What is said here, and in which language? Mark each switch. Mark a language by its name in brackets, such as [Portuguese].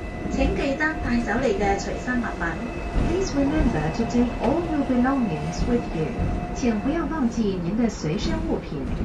[Chinese] 请记得带走你的随身物品。 [English] Please remember to take all your belongings with you. [Chinese] 请不要忘记您的随身物品。